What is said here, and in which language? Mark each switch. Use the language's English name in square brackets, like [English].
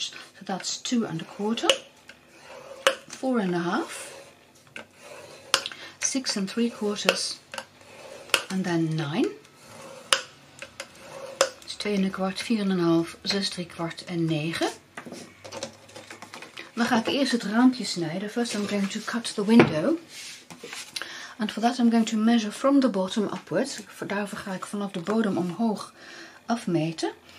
[English] So that's 2.25, 4.5, 6.75, and then 9. [Dutch] 2.25, 4.5, 6.75 en 9. Dan ga ik eerst het raampje snijden. [English] First I'm going to cut the window. And for that I'm going to measure from the bottom upwards. [Dutch] Daarvoor ga ik vanaf de bodem omhoog afmeten.